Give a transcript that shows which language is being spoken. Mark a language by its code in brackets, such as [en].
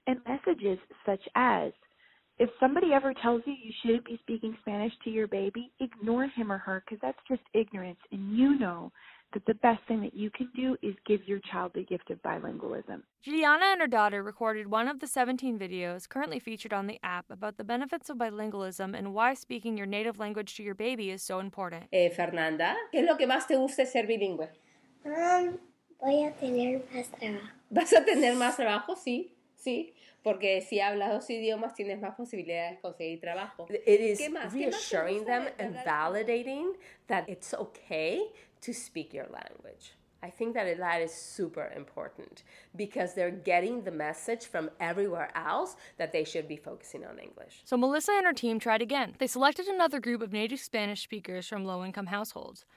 [en] And messages such as, if somebody ever tells you you shouldn't be speaking Spanish to your baby, ignore him or her, because that's just ignorance, and you know that the best thing that you can do is give your child the gift of bilingualism. Juliana and her daughter recorded one of the 17 videos currently featured on the app about the benefits of bilingualism and why speaking your native language to your baby is so important. [es] Fernanda, ¿qué es lo que más te gusta ser bilingüe? Voy a tener más trabajo. ¿Vas a tener más trabajo? Sí, sí. Porque si hablas dos idiomas, tienes más posibilidades de conseguir trabajo. [en] It is reassuring them and validating that it's okay to speak your language. I think that that is super important because they're getting the message from everywhere else that they should be focusing on English. So Melissa and her team tried again. They selected another group of native Spanish speakers from low-income households.